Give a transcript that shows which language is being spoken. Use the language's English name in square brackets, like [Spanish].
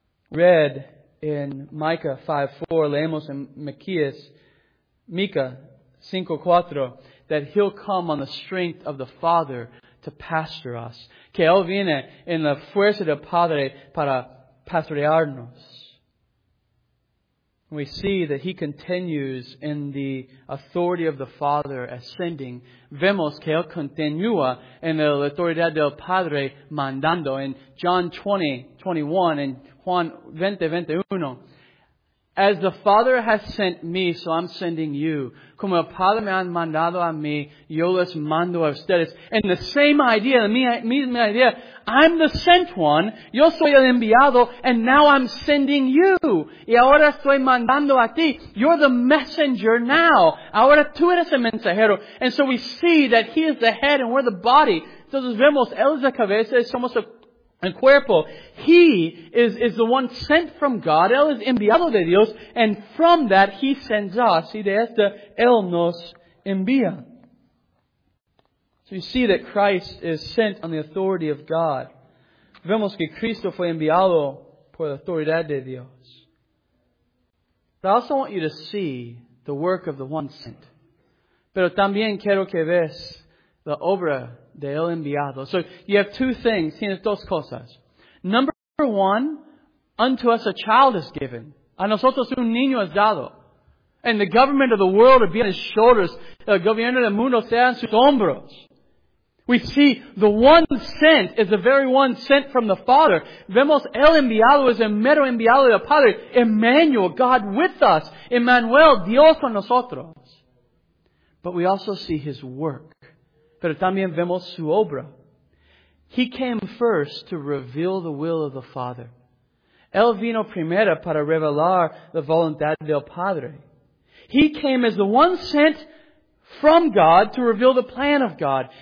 [English] Read in Micah 5:4, leemos in Micah 5:4, that He'll come on the strength of the Father to pastor us. [Spanish] Que Él viene en la fuerza del Padre para pastorearnos. [English] We see that He continues in the authority of the Father ascending. [Spanish] Vemos que Él continúa en la autoridad del Padre mandando. [English] In John 20:21, and Juan 20:21. As the Father has sent me, so I'm sending you. [Spanish] Como el Padre me ha mandado a mí, yo les mando a ustedes. [English] And the same idea, the misma idea. I'm the sent one. [Spanish] Yo soy el enviado. [English] And now I'm sending you. [Spanish] Y ahora estoy mandando a ti. [English] You're the messenger now. [Spanish] Ahora tú eres el mensajero. [English] And so we see that He is the head and we're the body. [Spanish] Entonces vemos, Él es la cabeza y somos el And cuerpo, [English] He is the one sent from God. [Spanish] Él es enviado de Dios. [English] And from that, He sends us. [Spanish] Y de esto, Él nos envía. [English] So you see that Christ is sent on the authority of God. [Spanish] Vemos que Cristo fue enviado por la autoridad de Dios. [English] But I also want you to see the work of the one sent. [Spanish] Pero también quiero que veas la obra de el enviado. [English] So you have two things. [Spanish] Tienes dos cosas. [English] Number one, unto us a child is given. [Spanish] A nosotros un niño es dado. [English] And the government of the world will be on his shoulders. [Spanish] El gobierno del mundo sea en sus hombros. [English] We see the one sent is the very one sent from the Father. [Spanish] Vemos el enviado es el mero enviado del Padre. [English] Emmanuel, God with us. [Spanish] Emmanuel, Dios con nosotros. [English] But we also see His work. [Spanish] Pero también vemos su obra. [English] He came first to reveal the will of the Father. [Spanish] Él vino primero para revelar la voluntad del Padre. [English] He came as the one sent from God to reveal the plan of God.